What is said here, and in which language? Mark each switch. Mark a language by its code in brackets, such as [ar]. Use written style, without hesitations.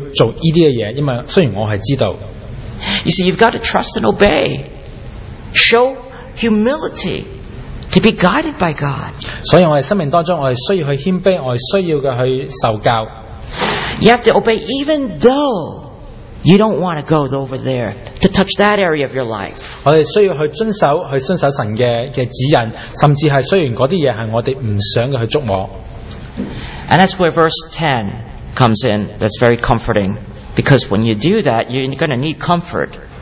[zh] 所以说，当我们去了解神的话语的时候，但是我们可能会内心话，我不想去做这些事，因为虽然我是知道。 [en] You see, you've got to trust and obey. Show humility to be guided by God. [zh] 所以我们生命当中，我们需要去谦卑，我们需要去受教。 [en] You have to obey even though you don't want to go over there to touch that area of your life. [zh] 我们需要去遵守神的旨意，甚至是虽然那些事是我们不想去触摸。 [en] And that's where verse 10 comes in. That's very comforting. Because when you do that, you're going to need comfort.